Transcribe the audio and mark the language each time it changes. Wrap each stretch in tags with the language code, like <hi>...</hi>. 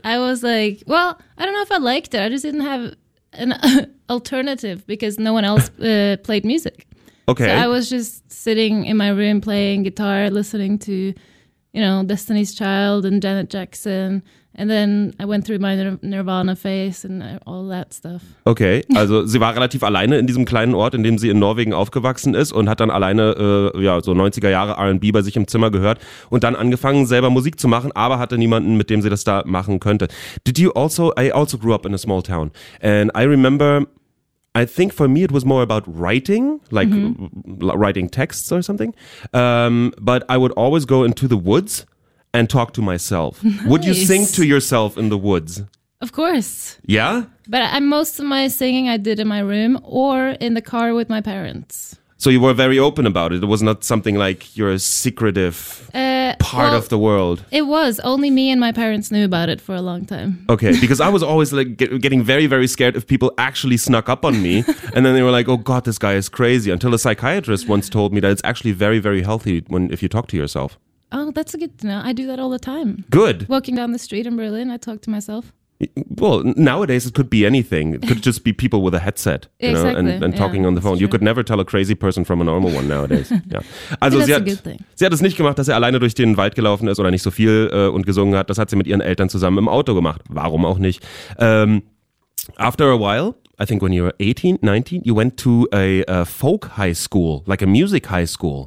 <en>I was like, well, I don't know if I liked it. I just didn't have... an alternative because no one else played music. Okay. So I was just sitting in my room playing guitar, listening to, you know, Destiny's Child and Janet Jackson. And then I went through my Nirvana phase and all that stuff.</en> <de>Okay, also sie war relativ alleine in diesem kleinen Ort, in dem sie in Norwegen aufgewachsen ist und hat dann alleine so 90er Jahre R&B bei sich im Zimmer gehört und dann angefangen selber Musik zu machen, aber hatte niemanden, mit dem sie das da machen könnte.</de> <en>I also grew up in a small town and I remember, I think for me it was more about writing, like writing texts or something, but I would always go into the woods and talk to myself. Nice. Would you sing to yourself in the woods? Of course. Yeah? But most of my singing I did in my room or in the car with my parents. So you were very open about it. It was not something like you're a secretive part of the world. It was. Only me and my parents knew about it for a long time. Okay. Because I was always like getting very, very scared if people actually snuck up on me. And then they were like, oh God, this guy is crazy. Until a psychiatrist once told me that it's actually very, very healthy if you talk to yourself. Oh, that's a good to know. I do that all the time. Good. Walking down the street in Berlin, I talk to myself. Well, nowadays it could be anything. It could just be people with a headset, you know, exactly. and talking on the phone. True. You could never tell a crazy person from a normal one nowadays. Yeah.</en> <de>Also, sie hat es nicht gemacht, dass er alleine durch den Wald gelaufen ist oder nicht so viel und gesungen hat. Das hat sie mit ihren Eltern zusammen im Auto gemacht. Warum auch nicht?</de> <en>After a while, I think when you were 18, 19, you went to a folk high school, like a music high school.</en>